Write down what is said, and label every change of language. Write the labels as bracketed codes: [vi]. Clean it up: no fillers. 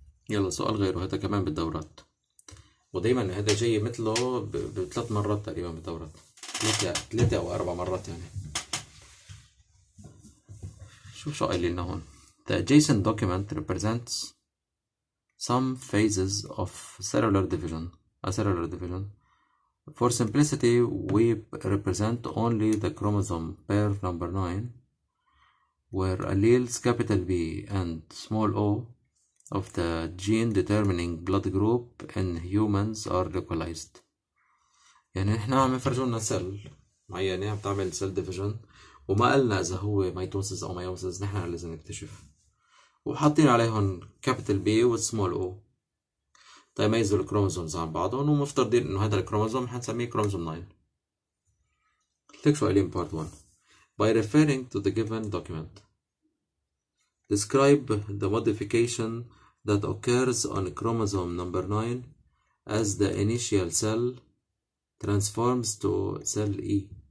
[ar] يلا سؤال غيره هذا كمان بالدورات ودائما هذا جاي مثله بثلاث مرات تقريبا بالدورات ثلاثة او اربع مرات. يعني شوف شو قال لنا هون. [en] The adjacent document represents some phases of cellular division. A cellular division. For simplicity we represent only the chromosome pair number 9 where alleles capital B and small o of the gene determining blood group in humans are localized. [ar] يعني احنا عم نفرجونا سل معينة عم تعمل سل ديفيجن وما قلنا اذا هو ميتوسيس او ميوسيس, نحن لازم نكتشف. وحاطين عليهم capital B و small o. تميزوا الكروموزومز عن بعضهم، ومفترضين انه هذا الكروموزوم حنسميه كروموزوم 9. سؤالين بارت 1. [en] By referring to the given document, describe the modification that occurs on chromosome number 9 as the initial cell transforms to cell E.